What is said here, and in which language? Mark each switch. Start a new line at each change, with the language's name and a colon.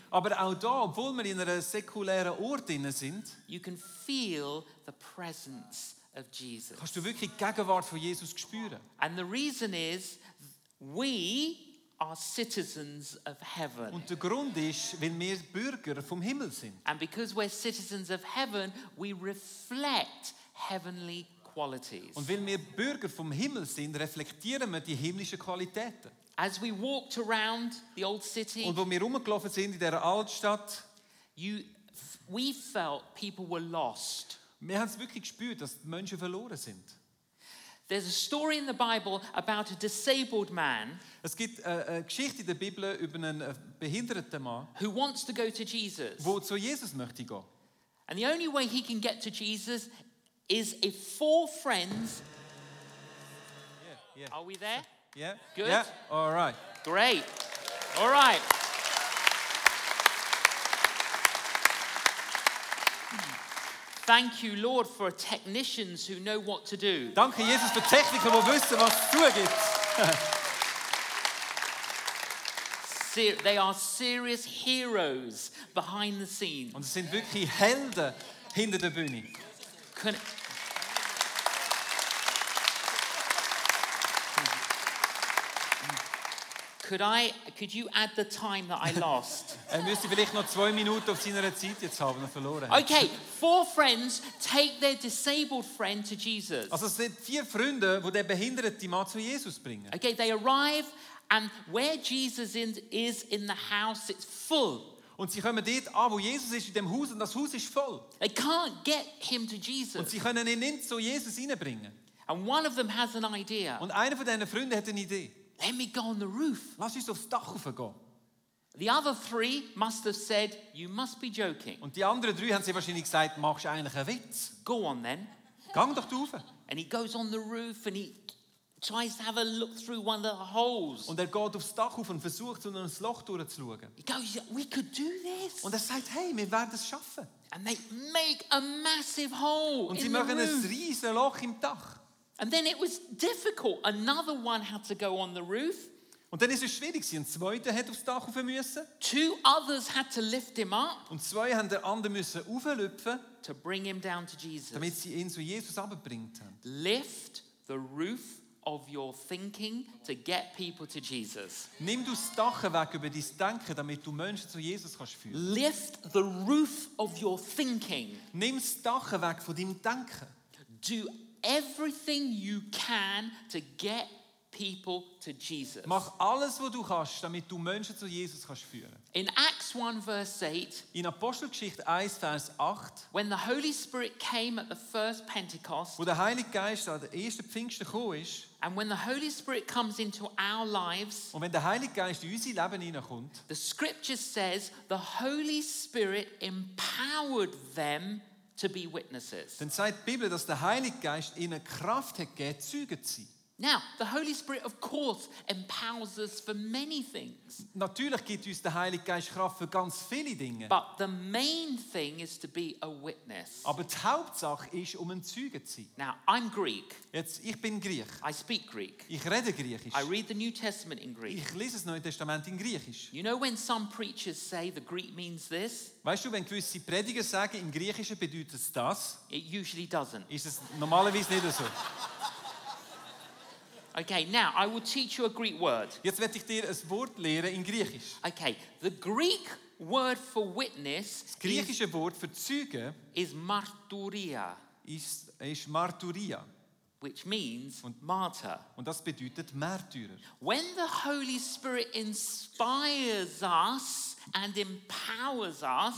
German: aber auch da, obwohl wir in einer säkulären Ort drin sind,
English: you can feel the presence of Jesus.
German: Kannst du wirklich die Gegenwart von Jesus spüren?
English: And the reason is, we are citizens of heaven.
German: Und der Grund ist, weil wir Bürger vom Himmel sind.
English: And because we're citizens of heaven, we reflect heavenly qualities.
German: Und weil wir Bürger vom Himmel sind, reflektieren wir die himmlischen Qualitäten.
English: As we walked around the old city,
German: und wo wir rumgelaufen sind in dieser Altstadt,
English: we felt people were lost.
German: Wir haben es wirklich gespürt, dass die Menschen verloren sind.
English: There's a story in the Bible about a disabled man.
German: Es gibt eine Geschichte in der Bibel über einen behinderten Mann,
English: who wants to go to Jesus.
German: Wo zu Jesus möchte gehen.
English: And the only way he can get to Jesus is if four friends. Yeah, yeah. Are we there? Yeah. Good. Yeah. All right. Great. All right. Thank you, Lord, for technicians who know what to do.
German: Danke Jesus für Techniker, die wissen, was zu tun gibt.
English: They are serious heroes behind the scenes.
German: Und sie sind wirklich Helden hinter der Bühne.
English: Could you add the time that I lost?
German: Er müsste vielleicht noch 2 Minuten auf seiner Zeit jetzt haben, er verloren.
English: Okay, four friends take their disabled friend to Jesus.
German: Also es sind 4 Freunde, wo der behinderte Mann zu Jesus bringen.
English: Okay, they arrive and where Jesus is in the house, it's full.
German: Und sie kommen dort an, wo Jesus ist, in dem Haus, und das Haus ist voll.
English: They can't get him to Jesus.
German: Und sie können ihn nicht zu Jesus hineinbringen.
English: And one of them has an idea.
German: Und einer von diesen Freunden hat eine Idee.
English: Let me go on the roof.
German: Lass uns aufs Dach raufgehen.
English: The other three must have said, you must be joking.
German: Und die anderen 3 haben sie wahrscheinlich gesagt, machst du eigentlich einen Witz?
English: Go on then.
German: Gang doch rauf.
English: And he goes on the roof and he tries to have a look through one of the holes.
German: Und er geht aufs Dach rauf und versucht, zu einem Loch durchzuschauen.
English: He goes, we could do this.
German: Und er sagt, hey, wir werden es schaffen.
English: And they make a massive hole in the roof.
German: Und sie machen ein riesen Loch im Dach.
English: And then it was difficult. Another one had to go on the roof.
German: Und dann ist es schwierig. Ein zweiter hat aufs Dach rauf müssen.
English: 2 others had to lift him up.
German: Und 2 haben den anderen müssen auflüpfen.
English: To bring him down to Jesus.
German: Damit sie ihn zu Jesus abbringt.
English: Lift the roof of your thinking to get people to Jesus.
German: Nimm du das Dach weg über dein Denken, damit du Menschen zu Jesus kannst führen.
English: Lift the roof of your thinking.
German: Nimm das Dach weg von deinem Denken.
English: Do everything you can to get people to Jesus.
German: Mach alles, was du kannst, damit du Menschen zu Jesus kannst führen.
English: In Acts 1, verse 8,
German: in Apostelgeschichte 1, Vers 8,
English: when the Holy Spirit came at the first Pentecost,
German: wo der Heilige Geist an der ersten Pfingsten gekommen ist,
English: and when the Holy Spirit comes into our lives,
German: und wenn der Heilige Geist in unser Leben hineinkommt,
English: the scripture says the Holy Spirit empowered them to be witnesses.
German: Dann sagt die Bibel, dass der Heilige Geist ihnen Kraft hat gegeben, Zeugen zu sein.
English: Now, the Holy Spirit, of course, empowers us for many things.
German: Natürlich gibt uns der Heilige Geist Kraft für ganz viele Dinge.
English: But the main thing is to be a witness.
German: Aber die Hauptsache ist, ein Zeuge zu sein.
English: Now, I'm Greek.
German: Jetzt, ich bin Griech.
English: I speak Greek.
German: Ich rede Griechisch.
English: I read the New Testament in Greek.
German: Ich lese das Neue Testament in Griechisch.
English: You know when some preachers say the Greek means this?
German: Weißt du, wenn gewisse Prediger sagen, im Griechischen bedeutet es das?
English: It usually doesn't.
German: Ist es normalerweise nicht so.
English: Okay, now I will teach you a Greek word.
German: Jetzt werde ich dir ein Wort lehren in Griechisch.
English: Okay, the Greek word for witness.
German: Das griechische Wort für Zeuge
English: is marturia.
German: Ist marturia.
English: Which means martyr.
German: Und das bedeutet Märtyrer.
English: When the Holy Spirit inspires us and empowers us,